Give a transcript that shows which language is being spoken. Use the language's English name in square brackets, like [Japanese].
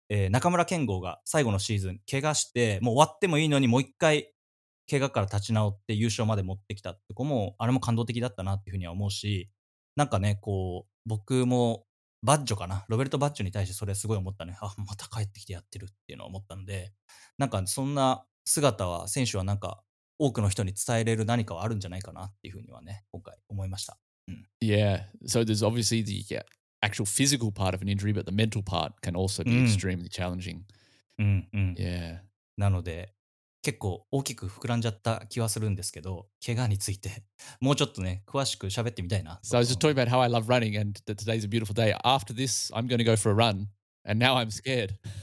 [Japanese] 中村健吾が最後のシーズン怪我してもう終わってもいいのにもう一回怪我から立ち直って優勝まで持ってきたってこも、あれも感動的だったなっていうふうには思うし、なんかねこう僕もバッジョかな、ロベルト・バッジョに対してそれすごい思ったね。あ、また帰ってきてやってるっていうのを思ったので、なんかそんな姿は選手はなんか多くの人に伝えれる何かはあるんじゃないかなっていうふうにはね今回思いました、うん、 [English] Yeah, so there's obviously the actual physical part of an injury, but the mental part can also be extremely challenging、Yeah. [Japanese] なので結構大きく膨らんじゃった気はするんですけど、怪我についてもうちょっとね詳しく喋ってみたいな。 [English] So I was just talking about how I love running and that today's a beautiful day. After this, I'm going to go for a run and now I'm scared.